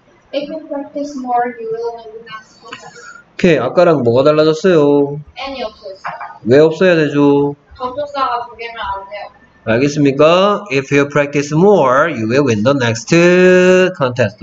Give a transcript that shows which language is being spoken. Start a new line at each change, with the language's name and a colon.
English: If you practice more, you will win the next contest. Okay.
Korean: 아까랑 뭐가 달라졌어요? 애니 없어졌어요. 왜 없어야 되죠? 접속사가 두 개면 안 돼요. 알겠습니까?
English: If you practice more, you will win the next contest.